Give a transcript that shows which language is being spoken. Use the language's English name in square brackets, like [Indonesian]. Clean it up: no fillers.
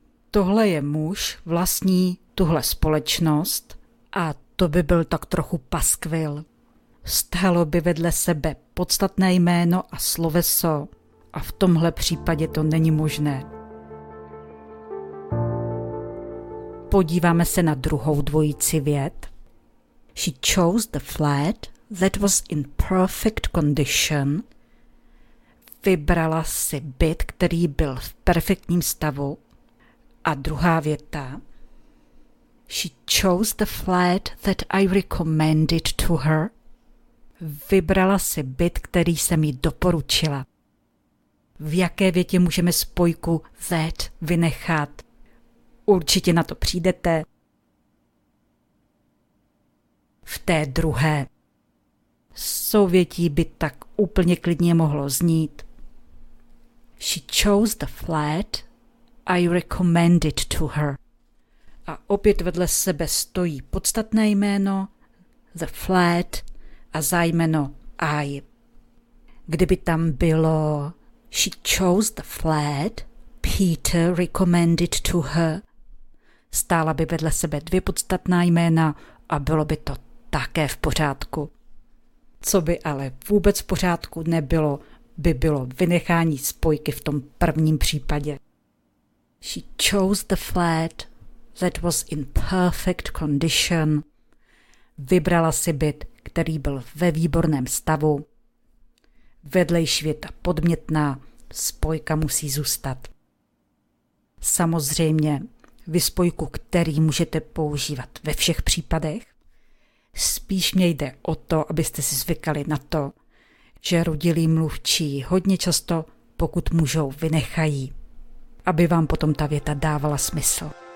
[Czech] Tohle je muž, vlastní tuhle společnost a to by byl tak trochu paskvil. Stálo by vedle sebe podstatné jméno a sloveso a v tomhle případě to není možné. Podíváme se na druhou dvojici vět. [English] She chose the flat that was in perfect condition. [Czech] Vybrala si byt, který byl v perfektním stavu. A druhá věta. [English] She chose the flat that I recommended to her. [Czech] Vybrala si byt, který jsem jí doporučila. V jaké větě můžeme spojku that vynechat? Určitě na to přijdete. V té druhé. Souvětí by tak úplně klidně mohlo znít. [English] She chose the flat I recommended to her. [Czech] A opět vedle sebe stojí podstatné jméno, the flat a zájmeno I. Kdyby tam bylo [English] she chose the flat Peter recommended to her, [Czech] stála by vedle sebe dvě podstatná jména a bylo by to také v pořádku. Co by ale vůbec v pořádku nebylo, by bylo vynechání spojky v tom prvním případě. [English] She chose the flat that was in perfect condition. [Czech] Vybrala si byt, který byl ve výborném stavu. Vedlejší věta podmětná, spojka musí zůstat. Samozřejmě, vy spojku, který můžete používat ve všech případech, spíš mě jde o to, abyste si zvykali na to, že rodilí mluvčí hodně často, pokud můžou, vynechají, aby vám potom ta věta dávala smysl.